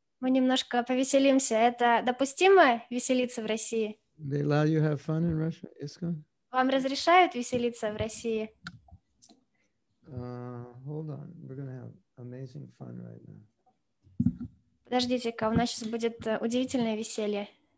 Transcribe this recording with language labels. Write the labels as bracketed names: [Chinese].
[Russian] Мы немножко повеселимся. Это допустимо веселиться в России? [English] They allow you to have fun in Russia, ISKCON? [Russian] Вам разрешают веселиться в России? [English] Hold on. We're going to have amazing fun right now. [Russian] Подождите-ка, у нас сейчас будет удивительное веселье.